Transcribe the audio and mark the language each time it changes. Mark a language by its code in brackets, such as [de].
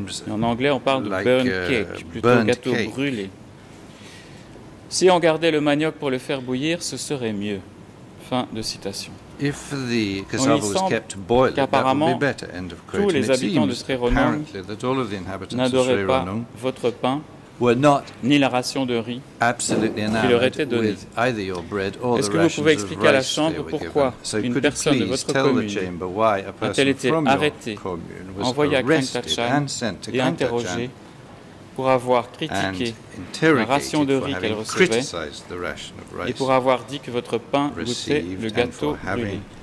[fr] En anglais, on parle de burnt cake, plutôt gâteau brûlé. Si on gardait le manioc pour le faire bouillir, ce serait mieux. Fin de citation. [en] If the cassava was kept boiled, that would be better. End of quote. [fr] Tous les habitants de Sri Ronong n'adoraient pas votre pain ni la ration de riz qui leur était donnée. Est-ce que vous pouvez expliquer à la Chambre pourquoi une personne de votre commune a-t-elle été arrêtée, envoyée à Krangtachan et interrogée pour avoir critiqué la ration de riz qu'elle recevait et pour avoir dit que votre pain goûtait le gâteau brûlé?